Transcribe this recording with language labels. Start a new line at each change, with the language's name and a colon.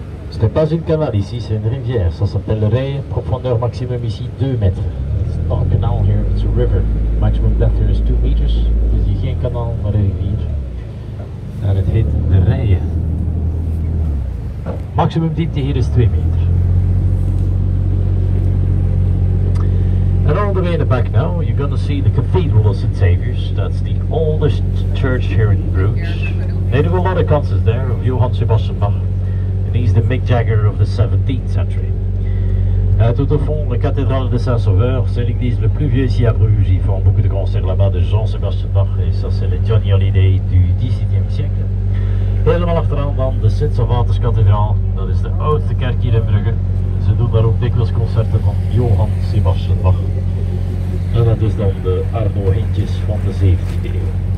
French: C'était pas une canal ici, c'est une rivière. Ça s'appellerait profondeur maximum ici 2 mètres.
English: It's not a canal here, it's a river. Maximum depth here is 2 meters.
Dutch: Dus hier geen kanaal, maar een rivier. En het heet de Rijen. Maximum diepte hier is 2 meter.
English: And all the way in the back now, you're gonna see the Cathedral of St. Saviour's. That's the oldest church here in Brugge. They do a lot of concerts there, of Johann Sebastian Bach. And he's the Mick Jagger of the 17th century.
French: Tout au fond, la cathédrale de Saint-Sauveur, c'est l'église le plus vieux ici à Bruges. Ils font beaucoup de concerts là-bas de Jean-Sébastien Bach, et ça c'est le Johnny Hallyday du 17e siècle.
Dutch: Helemaal achteraan dan de Sint-Salvaterskathedraal, dat is de oudste kerk hier in Brugge. Ze doen daar ook dikwijls concerten van Johann Sebastian Bach. En dat is dan de Arno Hintjes van de 17e eeuw.